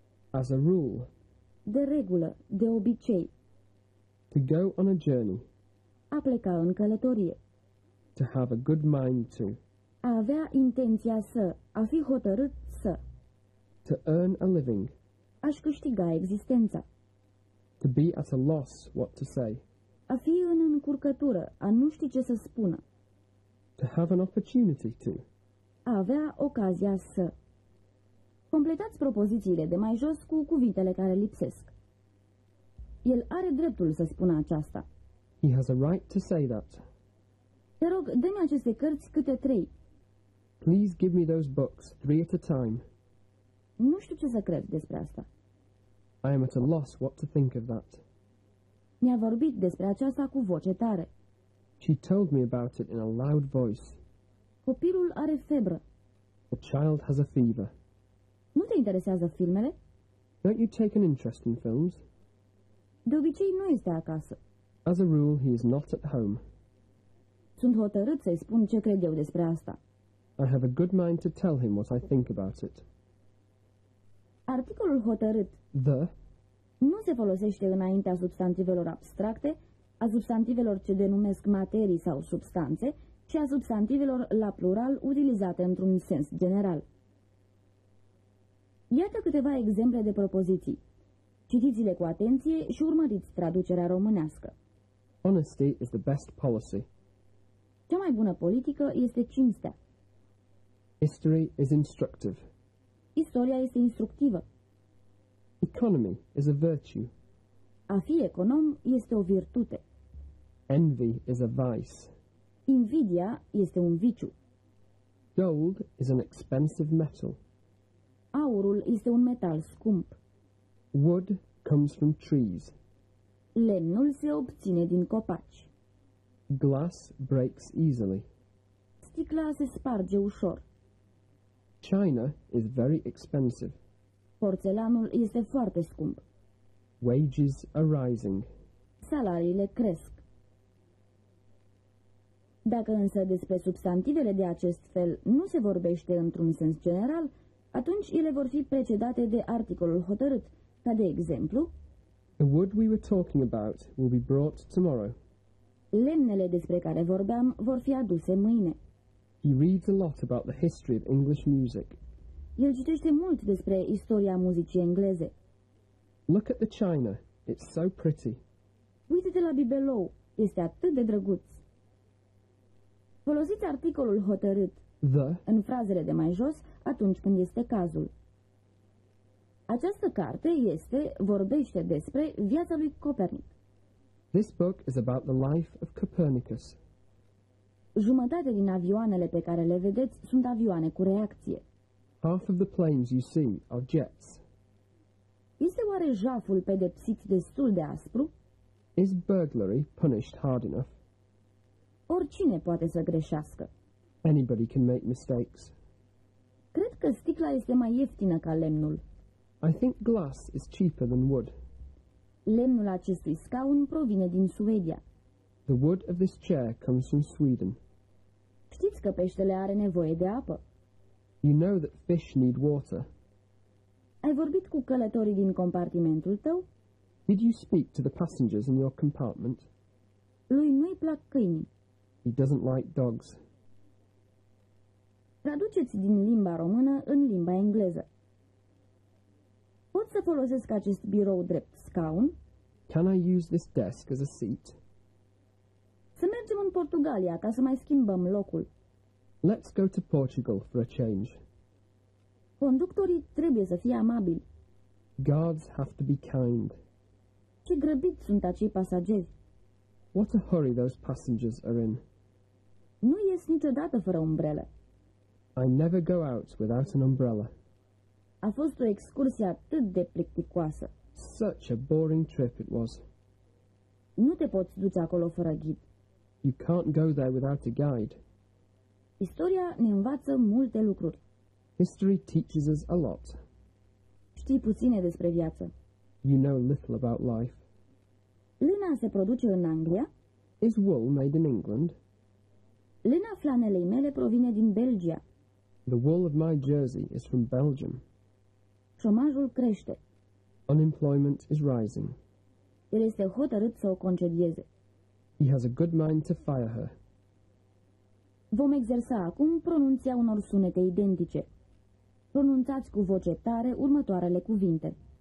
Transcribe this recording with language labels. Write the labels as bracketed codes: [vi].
[en] As a rule. [ro] De regulă, de obicei. [en] To go on a journey. [ro] A pleca în călătorie. [en] To have a good mind to. [ro] A avea intenția să, a fi hotărât să. [en] To earn a living. [ro] A-și câștiga existența. [en] To be at a loss what to say. [ro] A fi în încurcătură, a nu ști ce să spună. [en] To have an opportunity to. [ro] A avea ocazia să. Completați propozițiile de mai jos cu cuvintele care lipsesc. El are dreptul să spună aceasta. [en] He has a right to say that. [ro] Te rog, dă-mi aceste cărți câte trei. [en] Please give me those books, three at a time. [ro] Nu știu ce să cred despre asta. [en] I am at a loss what to think of that. [ro] Mi-a vorbit despre aceasta cu voce tare. [en] She told me about it in a loud voice. [ro] Copilul are febră. [en] The child has a fever. [ro] interesează filmele? [en] Don't you take an interest in films? [ro] De obicei nu este acasă. [en] As a rule, he is not at home. [ro] Sunt hotărât să-i spun ce cred eu despre asta. [en] I have a good mind to tell him what I think about it. [ro] Articolul hotărât, [en] the, [ro] nu se folosește înaintea substantivelor abstracte, a substantivelor ce denumesc materii sau substanțe, ci a substantivelor la plural utilizate într-un sens general. Iată câteva exemple de propoziții. Citiți-le cu atenție și urmăriți traducerea românească. [en] Honesty is the best policy. [ro] Cea mai bună politică este cinstea. [en] History is instructive. [ro] Istoria este instructivă. [en] Economy is a virtue. [ro] A fi econom este o virtute. [en] Envy is a vice. [ro] Invidia este un viciu. [en] Gold is an expensive metal. [ro] Aurul este un metal scump. [en] Wood comes from trees. [ro] Lemnul se obține din copaci. [en] Glass breaks easily. [ro] Sticla se sparge ușor. [en] China is very expensive. [ro] Porțelanul este foarte scump. [en] Wages are rising. [ro] Salariile cresc. Dacă însă despre substantivele de acest fel nu se vorbește într-un sens general, atunci ele vor fi precedate de articolul hotărât, ca de exemplu: [en] The wood we were talking about will be brought tomorrow. [ro] Lemnele despre care vorbeam vor fi aduse mâine. [en] He reads a lot about the history of English music. [ro] El citește mult despre istoria muzicii engleze. [en] Look at the china, it's so pretty. [ro] Uită-te la bibelou, este atât de drăguț. Folosiți articolul hotărât, [en] the, [ro] în frazele de mai jos, atunci când este cazul. Această carte este, vorbește despre viața lui Copernic. [en] This book is about the life of Copernicus. [ro] Jumătate din avioanele pe care le vedeți sunt avioane cu reacție. [en] Half of the planes you see are jets. [ro] Este oare jaful pedepsit destul de aspru? [en] Is burglary punished hard enough? [ro] Oricine poate să greșească. [en] Anybody can make mistakes. [ro] Cred că sticla este mai ieftină ca lemnul. [en] I think glass is cheaper than wood. [ro] Lemnul acestui scaun provine din Suedia. [en] The wood of this chair comes from Sweden. [ro] Știți că peștele are nevoie de apă? [en] You know that fish need water. [ro] Ai vorbit cu călătorii din compartimentul tău? [en] Did you speak to the passengers in your compartment? [ro] Lui nu-i plac câinii. [en] He doesn't like dogs. [ro] Traduceți din limba română în limba engleză. Pot să folosesc acest birou drept scaun? [en] Can I use this desk as a seat? [ro] Să mergem în Portugalia ca să mai schimbăm locul. [en] Let's go to Portugal for a change. [ro] Conductorii trebuie să fie amabili. [en] Guards have to be kind. [ro] Ce grăbiți sunt acei pasageri. [en] What a hurry those passengers are in. [ro] Nu ies niciodată fără umbrelă. [en] I never go out without an umbrella. [ro] A fost o excursie atât de plicticoasă. [en] Such a boring trip it was. [ro] Nu te poți duce acolo fără ghid. [en] You can't go there without a guide. [ro] Istoria ne învață multe lucruri. [en] History teaches us a lot. [ro] Știi puține despre viață. [en] You know little about life. [ro] Lina se produce în Anglia? [en] Is wool made in England? [ro] Lena flanelei mele provine din Belgia. [en] The wool of my jersey is from Belgium. [ro] Șomajul crește. [en] Unemployment is rising. [ro] El este hotărât să o concedieze. [en] He has a good mind to fire her. [ro] Vom exersa acum pronunția unor sunete identice. Pronunțați cu voce tare următoarele cuvinte.